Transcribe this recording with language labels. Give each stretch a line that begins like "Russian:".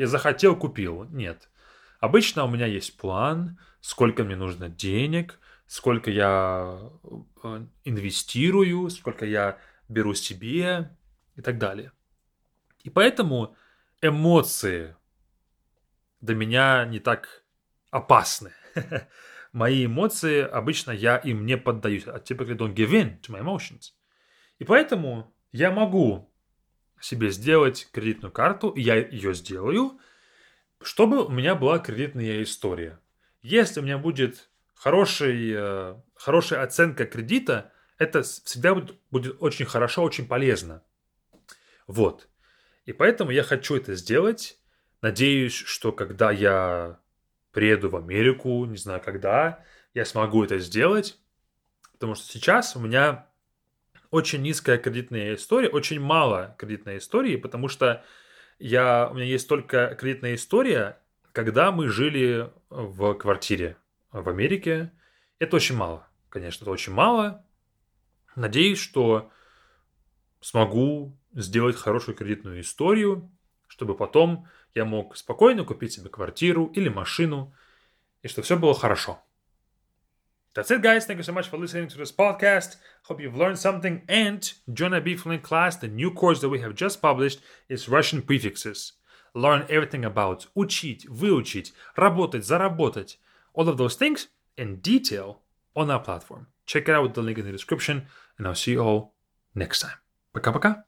Russian: Я захотел, купил. Нет. Обычно у меня есть план, сколько мне нужно денег, сколько я инвестирую, сколько я беру себе и так далее. И поэтому эмоции для меня не так опасны. Мои эмоции, обычно я им не поддаюсь.
English: I typically don't give in to my emotions.
Russian: И поэтому я могу себе сделать кредитную карту, и я ее сделаю, чтобы у меня была кредитная история. Если у меня будет хорошая оценка кредита, это всегда будет очень хорошо, очень полезно. Вот. И поэтому я хочу это сделать. Надеюсь, что когда я приеду в Америку, не знаю когда, я смогу это сделать. Потому что сейчас у меня очень низкая кредитная история, очень мало кредитной истории, потому что у меня есть только кредитная история, когда мы жили в квартире в Америке. Это очень мало, конечно, это очень мало. Надеюсь, что смогу сделать хорошую кредитную историю, чтобы потом я мог спокойно купить себе квартиру или машину, и чтобы все было хорошо.
English: That's it, guys. Thank you so much for listening to this podcast. Hope you've learned something. And join a BFluent class. The new course that we have just published is Russian Prefixes. Learn everything about
Russian: учить, выучить, работать, заработать.
English: All of those things in detail on our platform. Check it out with the link in the description. And I'll see you all next time.
Russian: Пока-пока.